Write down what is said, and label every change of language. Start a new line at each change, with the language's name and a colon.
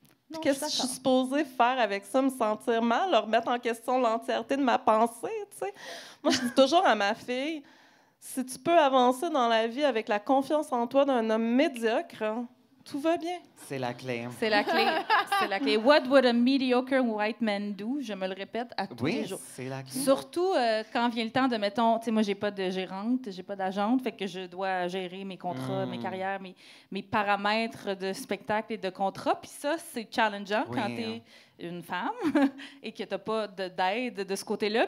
French: Non, qu'est-ce que je suis supposée faire avec ça, me sentir mal, leur mettre en question l'entièreté de ma pensée, tu sais. Moi, je dis toujours à ma fille, si tu peux avancer dans la vie avec la confiance en toi d'un homme médiocre, tout va bien. C'est la clé. C'est la clé. C'est la clé.
English: What would a mediocre white man do?
French: Je me le répète à tous les jours. Oui, c'est la clé. Surtout quand vient le temps de, mettons, tu sais, moi, j'ai pas de gérante, j'ai pas d'agente, fait que je dois gérer mes contrats, mes carrières, mes paramètres de spectacle et de contrat. Puis ça, c'est challengeant quand t'es une femme et que t'as pas d'aide de ce côté-là.